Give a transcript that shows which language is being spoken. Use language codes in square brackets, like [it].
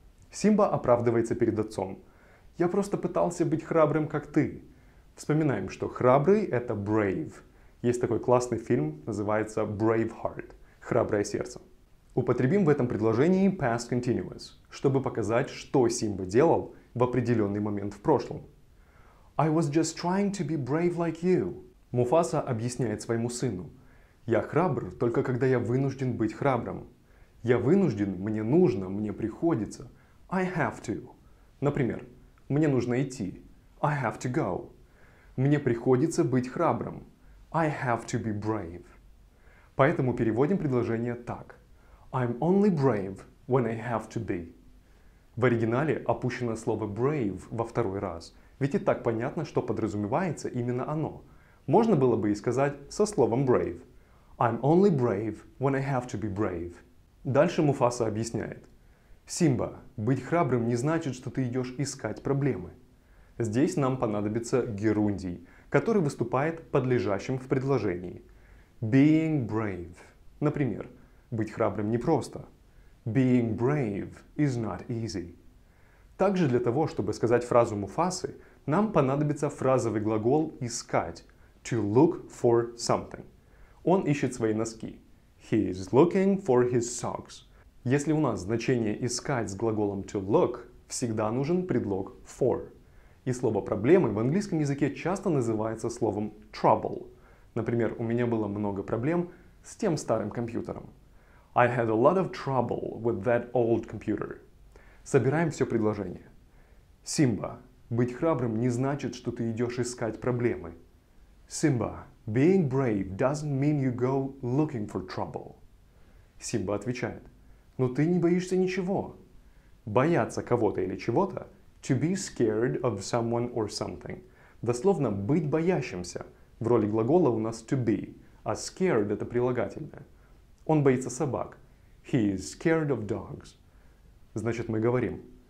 [ru] Симба оправдывается перед отцом. Я просто пытался быть храбрым, как ты. Вспоминаем, что храбрый – это brave. Есть такой классный фильм, называется Braveheart – «Храброе сердце». Употребим в этом предложении past continuous, чтобы показать, что Симба делал в определенный момент в прошлом. [en] I was just trying to be brave like you. [ru] Муфаса объясняет своему сыну. Я храбр, только когда я вынужден быть храбрым. Я вынужден, мне нужно, мне приходится. [en] I have to. [ru] Например, мне нужно идти. [en] I have to go. [ru] Мне приходится быть храбрым. [en] I have to be brave. [ru] Поэтому переводим предложение так. [en] I'm only brave when I have to be. [ru] В оригинале опущено слово brave во второй раз. Ведь и так понятно, что подразумевается именно оно. Можно было бы и сказать со словом brave. [en] I'm only brave when I have to be brave. [ru] Дальше Муфаса объясняет. Симба, быть храбрым не значит, что ты идешь искать проблемы. Здесь нам понадобится герундий, который выступает подлежащим в предложении. [en] Being brave. [ru] Например, быть храбрым непросто. [en] Being brave is not easy. [ru] Также для того, чтобы сказать фразу Муфасы, нам понадобится фразовый глагол искать. [en] To look for something. [ru] Он ищет свои носки. [en] He is looking for his socks. [ru] Если у нас значение искать с глаголом to look, всегда нужен предлог for. И слово «проблемы» в английском языке часто называется словом «trouble». Например, у меня было много проблем с тем старым компьютером. [en] I had a lot of trouble with that old computer. [ru] Собираем все предложение. Simba, быть храбрым не значит, что ты идешь искать проблемы. [en] Simba, being brave doesn't mean you go looking for trouble. [ru] Simba отвечает. Но ты не боишься ничего. Бояться кого-то или чего-то. [en] To be scared of someone or something. [ru] Дословно, быть боящимся. В роли глагола у нас to be, а scared — это прилагательное. Он боится собак. [en] He is scared of dogs. [ru] Значит, мы говорим.